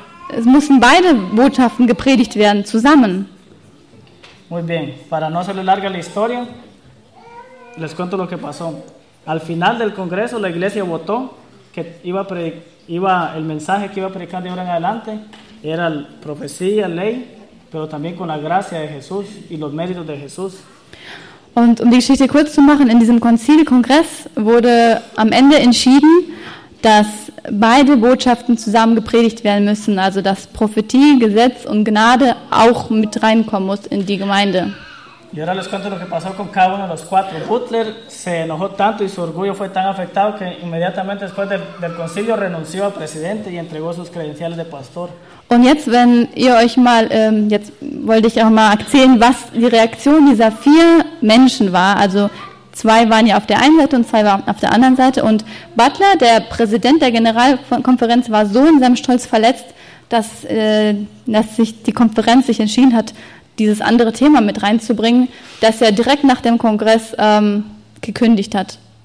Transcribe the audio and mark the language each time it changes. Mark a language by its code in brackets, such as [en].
[de] Es müssen beide Botschaften gepredigt werden, zusammen. [es] Muy bien, para no hacerle larga la historia, les cuento lo que pasó. Al final del congreso, la iglesia votó que iba el mensaje que iba a predicar de ahora en adelante era profecía, ley, pero también con la gracia de Jesús y los méritos de Jesús. [de] Und die Geschichte kurz zu machen, in diesem Konzilkongress wurde am Ende entschieden, dass beide Botschaften zusammen gepredigt werden müssen, also dass Prophetie, Gesetz und Gnade auch mit reinkommen muss in die Gemeinde. [es] Y ahora les cuento lo que pasó con cada uno de los cuatro. Butler se enojó tanto y su orgullo fue tan afectado que inmediatamente después del concilio renunció al presidente y entregó sus credenciales de pastor. [de] Und jetzt, wenn ihr euch mal, jetzt wollte ich auch mal erzählen, was die Reaktion dieser vier Menschen war. Also zwei waren ja auf der einen Seite und zwei waren auf der anderen Seite. Und Butler, der Präsident der Generalkonferenz, war so in seinem Stolz verletzt, dass sich die Konferenz sich entschieden hat, dieses andere Thema mit reinzubringen, das er direkt nach dem Kongress gekündigt hat.